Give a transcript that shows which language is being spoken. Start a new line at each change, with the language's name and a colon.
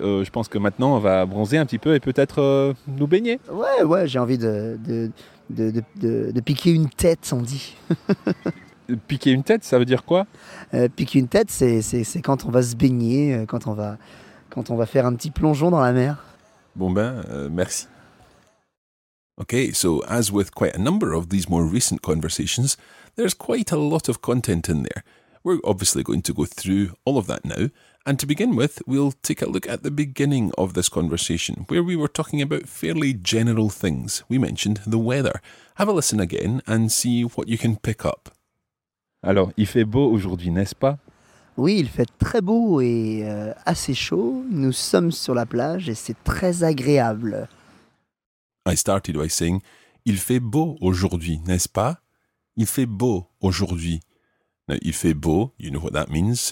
French: Je pense que maintenant, on va bronzer un petit peu et peut-être nous baigner. Ouais, j'ai envie de piquer une tête, on dit. Piquer une tête, ça veut dire quoi? Piquer une tête, c'est quand on va se baigner, quand on va faire un petit plongeon dans la mer. Bon ben, merci.
English: Okay, so as with quite a number of these more recent conversations, there's quite a lot of content in there. We're obviously going to go through all of that now, and to begin with, we'll take a look at the beginning of this conversation, where we were talking about fairly general things. We mentioned the weather. Have a listen again and see what you can pick up.
French: Alors, il fait beau aujourd'hui, n'est-ce pas? Oui, il fait très beau et assez chaud. Nous sommes sur la plage et c'est très agréable.
English: I started by saying,
French: il fait beau aujourd'hui, n'est-ce pas? Il fait beau aujourd'hui.
English: Now,
French: il fait beau,
English: you know what that means.